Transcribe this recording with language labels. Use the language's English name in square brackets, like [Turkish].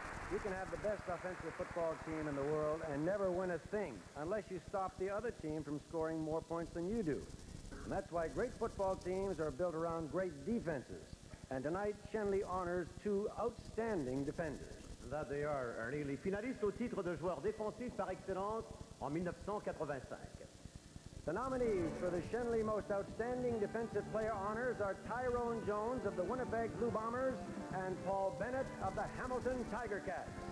[English] You can have the best offensive football team in the world and never win a thing unless you stop the other team from scoring more points than you do. And that's why great football teams are built around great defenses. And tonight, Schenley honors two outstanding defenders. That they are, Ernie. [French] Les finalistes au titre de joueur défensif par excellence en 1985. [English] The nominees for the Schenley Most Outstanding Defensive Player honors are Tyrone Jones of the Winnipeg Blue Bombers and Paul Bennett of the Hamilton Tiger Cats.